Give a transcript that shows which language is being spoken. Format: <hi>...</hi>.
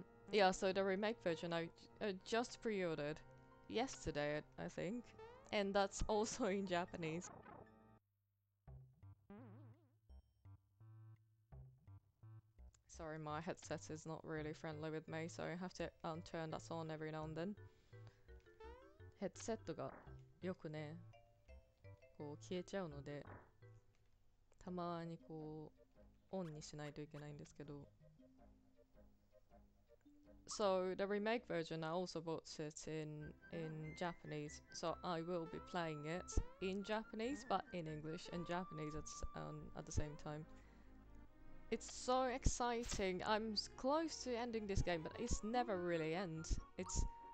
<en>Yeah, so the remake version I just pre-ordered yesterday, I think. And that's also in Japanese. Sorry, my headset is not really friendly with me, so I have to turn that on every now and then.</en> <ja>ヘッドセットがよくね、こう消えちゃうので、たまにこうオンにしないといけないんですけど。</ja> <en>So the remake version I also bought it in Japanese, so I will be playing it in Japanese, but in English and Japanese at the same time. It's so exciting. I'm close to ending this game, but it never really ends. It's...</en>